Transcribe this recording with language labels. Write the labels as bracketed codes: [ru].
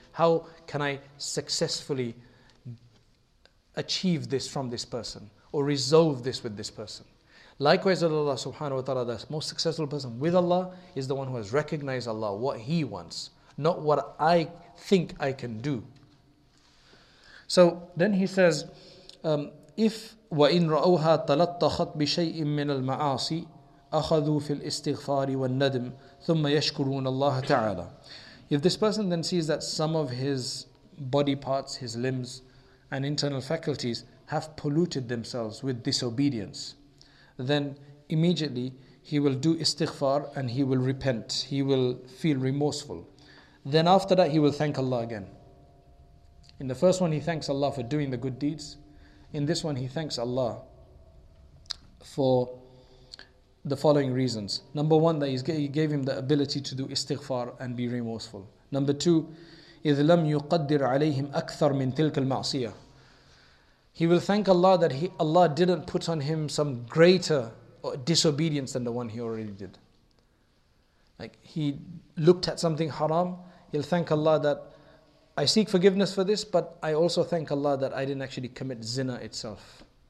[en] How can I successfully achieve this from this person or resolve this with this person? Likewise, Allah subhanahu wa ta'ala, the most successful person with Allah is the one who has recognized Allah, what He wants. Not what I think I can do. So then he says, if [ar] وَإِنْ رَأَوْهَا تَلَطَّخَتْ بِشَيْءٍ مِّنَ الْمَعَاصِي أَخَذُوا فِي الْإِسْتِغْفَارِ وَالنَّدْمِ ثُمَّ يَشْكُرُونَ اللَّهَ تَعَالَى. [en] If this person then sees that some of his body parts, his limbs and internal faculties have polluted themselves with disobedience, then immediately he will do istighfar and he will repent. He will feel remorseful. Then after that, he will thank Allah again. In the first one, he thanks Allah for doing the good deeds. In this one, he thanks Allah for the following reasons. Number one, that He gave him the ability to do istighfar and be remorseful. Number two, [ar] إِذْ لَمْ يُقَدِّرْ عَلَيْهِمْ أَكْثَرْ مِنْ تِلْكَ الْمَعْصِيَةِ. [en] He will thank Allah that Allah didn't put on him some greater disobedience than the one he already did. Like he looked at something haram, he'll thank Allah that I seek forgiveness for this, but I also thank Allah that I didn't actually commit zina itself.